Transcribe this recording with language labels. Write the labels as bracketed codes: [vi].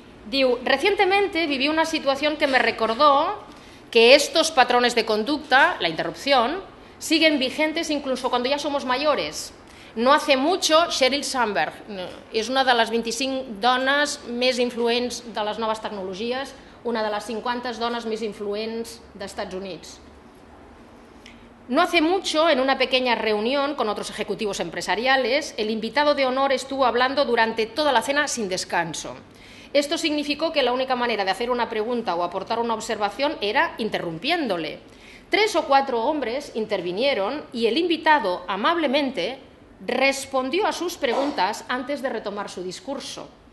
[es] Diu, recientemente viví una situación que me recordó que estos patrones de conducta, la interrupción, siguen vigentes incluso cuando ya somos mayores. No hace mucho, [ca] Sheryl Sandberg, és una de les 25 dones més influents de les noves tecnologies, una de les 50 dones més influents d'Estats Units. [es] No hace mucho, en una pequeña reunión con otros ejecutivos empresariales, el invitado de honor estuvo hablando durante toda la cena sin descanso. Esto significó que la única manera de hacer una pregunta o aportar una observación era interrumpiéndole. Tres o cuatro hombres intervinieron y el invitado, amablemente, respondió a sus preguntas antes de retomar su discurso.